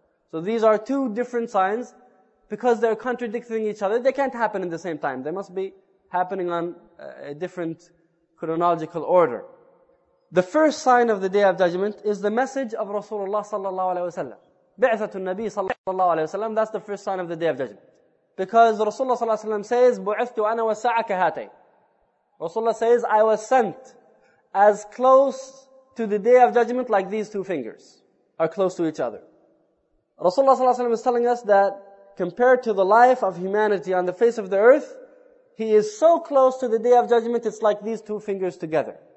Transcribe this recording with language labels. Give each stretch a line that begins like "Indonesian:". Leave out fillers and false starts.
English: So these are two different signs because they're contradicting each other. They can't happen in the same time. They must be happening on a different chronological order. The first sign of the Day of Judgment is the message of Rasulullah
Arabic: sallallahu alaihi wasallam. بعثة النبي صلى الله عليه وسلم,
English: that's the first sign of the Day of Judgment. Because Rasulullah
Arabic: صلى الله عليه وسلم
English: says,
Arabic: بعثت وأنا والساعة كهاتين.
English: Rasulullah says, I was sent as close to the Day of Judgment like these two fingers are close to each other. Rasulullah
Arabic: صلى الله عليه وسلم
English: is telling us that compared to the life of humanity on the face of the earth, he is so close to the Day of Judgment, it's like these two fingers together.